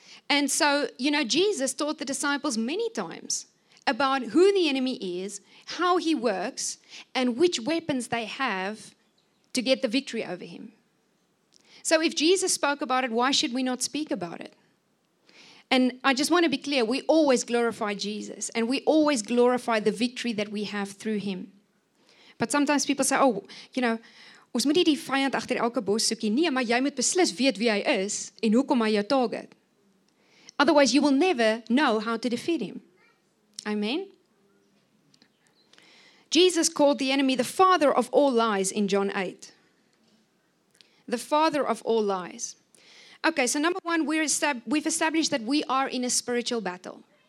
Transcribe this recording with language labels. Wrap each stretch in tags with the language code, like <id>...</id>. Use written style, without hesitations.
<en>And so, you know, Jesus taught the disciples many times about who the enemy is, how he works, and which weapons they have to get the victory over him. So if Jesus spoke about it, why should we not speak about it? And I just want to be clear, we always glorify Jesus, and we always glorify the victory that we have through him. But sometimes people say, oh, you know,</en> <af>ons moet nie die vyand agter elke bos soek nie. Nee, maar jy moet beslis weet wie hy is en hoekom hy jou target.</af> <en>Otherwise, you will never know how to defeat him. Amen? Jesus called the enemy the father of all lies in John 8. The father of all lies. Okay, so number one, we've established that we are in a spiritual battle.</en>